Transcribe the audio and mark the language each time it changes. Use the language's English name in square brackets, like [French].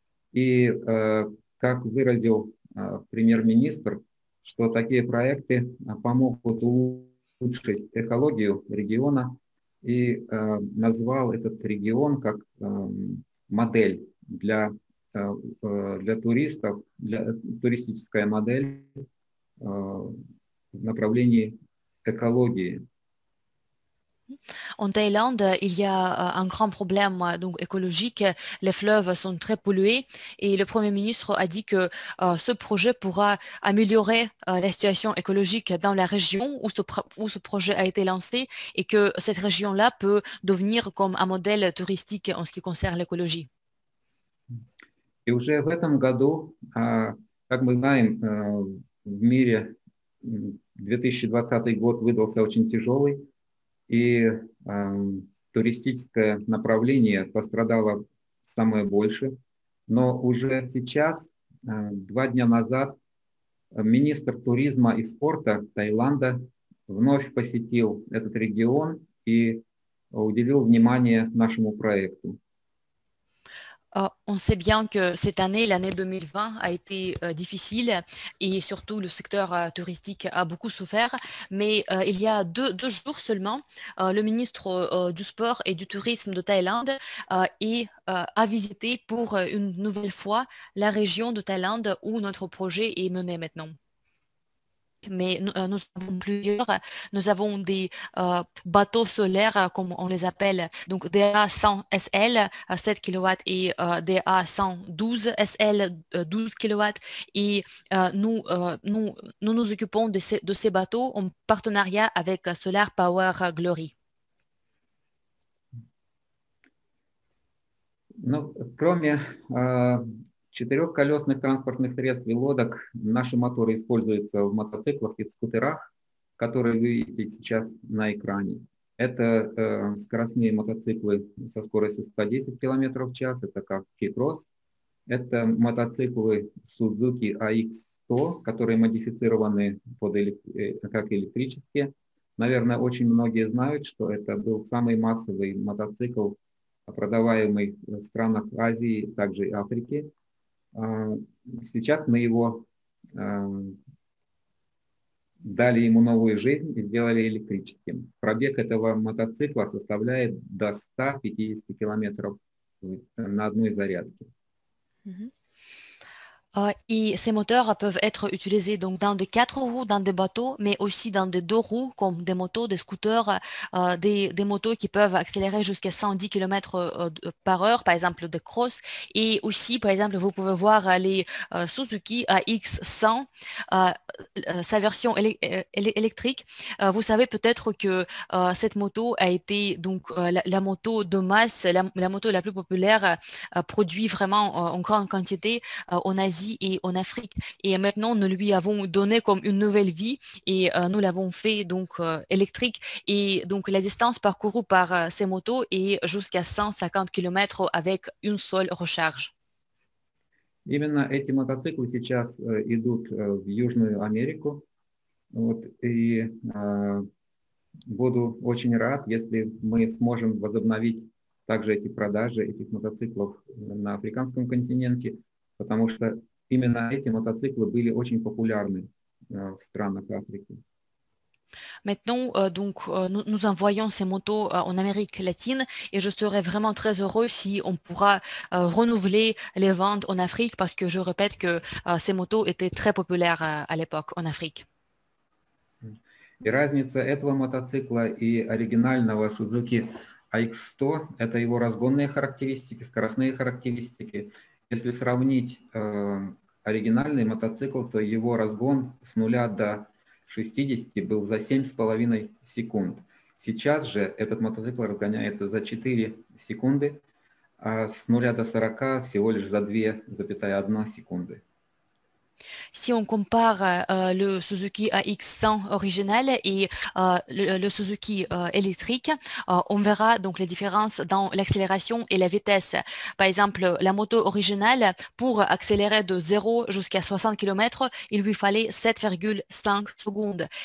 [Russian] И, как выразил премьер-министр, что такие проекты помогут улучшить экологию региона, и назвал этот регион как модель для туристов, для туристическая модель в направлении экологии. [French] En Thaïlande, il y a un grand problème donc écologique. Les fleuves sont très pollués et le Premier ministre a dit que ce projet pourra améliorer la situation écologique dans la région où ce projet a été lancé et que cette région-là peut devenir comme un modèle touristique en ce qui concerne l'écologie. Et [Russian] уже в этом году, как мы знаем, в мире 2020 год выдался очень тяжелый. И туристическое направление пострадало самое больше. Но уже сейчас, два дня назад, министр туризма и спорта Таиланда вновь посетил этот регион и уделил внимание нашему проекту. [French] On sait bien que cette année, l'année 2020, a été difficile et surtout le secteur touristique a beaucoup souffert. Mais il y a deux jours seulement, le ministre du Sport et du Tourisme de Thaïlande a visité pour une nouvelle fois la région de Thaïlande où notre projet est mené maintenant. Mais nous avons plusieurs, nous avons des bateaux solaires, comme on les appelle, donc DA100SL, 7 kW, et DA112SL, 12 kW. Et nous occupons de ces bateaux en partenariat avec Solar Power Glory. [Russian] Ну, кроме четырехколесных транспортных средств и лодок, наши моторы используются в мотоциклах и в скутерах, которые вы видите сейчас на экране. Это скоростные мотоциклы со скоростью 110 км в час, это как K-Cross. Это мотоциклы Suzuki AX100, которые модифицированы как электрические. Наверное, очень многие знают, что это был самый массовый мотоцикл, продаваемый в странах Азии, также и Африки. Сейчас мы его дали ему новую жизнь и сделали электрическим. Пробег этого мотоцикла составляет до 150 километров на одной зарядке. [French] Et ces moteurs peuvent être utilisés donc dans des quatre roues, dans des bateaux, mais aussi dans des deux roues, comme des motos, des scooters, des motos qui peuvent accélérer jusqu'à 110 km par heure, par exemple des cross. Et aussi, par exemple, vous pouvez voir les Suzuki AX100, sa version électrique. Vous savez peut-être que cette moto a été donc la moto de masse, la moto la plus populaire, produite vraiment en grande quantité en Asie et en Afrique. Et maintenant, nous lui avons donné comme une nouvelle vie et nous l'avons fait donc électrique. Et donc, la distance parcourue par ces motos est jusqu'à 150 km avec une seule recharge. [Russian] Именно эти мотоциклы сейчас идут в Южную Америку. Вот, и буду очень рад, если мы сможем возобновить также эти продажи этих мотоциклов на африканском континенте, потому что именно эти мотоциклы были очень популярны в странах Африки. [French] Maintenant, donc, nous envoyons ces motos en Amérique latine et je serais vraiment très heureux si on pourra renouveler les ventes en Afrique parce que je répète que ces motos étaient très populaires à l'époque en Afrique. [Russian] И разница этого мотоцикла и оригинального Suzuki AX100 – это его разгонные характеристики, скоростные характеристики. Если сравнить оригинальный мотоцикл, то его разгон с нуля до 60 был за 7,5 секунд. Сейчас же этот мотоцикл разгоняется за 4 секунды, а с 0 до 40 всего лишь за 2,1 секунды. [French] Si on compare le Suzuki AX100 original et le Suzuki électrique, on verra donc les différences dans l'accélération et la vitesse. Par exemple, la moto originale, pour accélérer de 0 jusqu'à 60 km, il lui fallait 7,5 secondes.